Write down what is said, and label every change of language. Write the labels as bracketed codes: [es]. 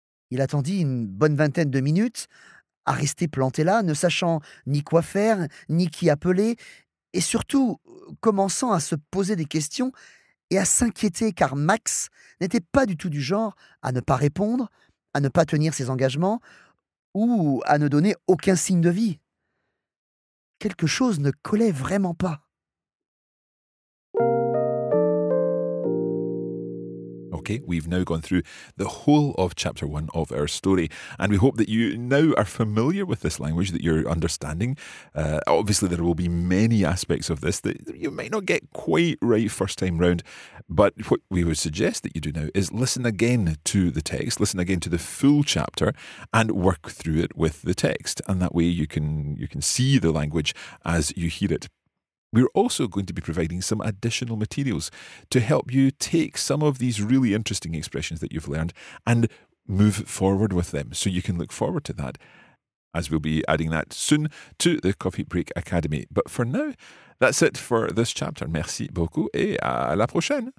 [fr] Il attendit une bonne vingtaine de minutes à rester planté là, ne sachant ni quoi faire, ni qui appeler, et surtout commençant à se poser des questions et à s'inquiéter, car Max n'était pas du tout du genre à ne pas répondre, à ne pas tenir ses engagements ou à ne donner aucun signe de vie. Quelque chose ne collait vraiment pas. [en] Okay, we've now gone through the whole of chapter one of our story, and we hope that you now are familiar with this language, that you're understanding. Obviously, there will be many aspects of this that you might not get quite right first time round, but what we would suggest that you do now is listen again to the text, listen again to the full chapter, and work through it with the text, and that way you can see the language as you hear it. We're also going to be providing some additional materials to help you take some of these really interesting expressions that you've learned and move forward with them. So you can look forward to that, as we'll be adding that soon to the Coffee Break Academy. But for now, that's it for this chapter. [fr] Merci beaucoup et à la prochaine.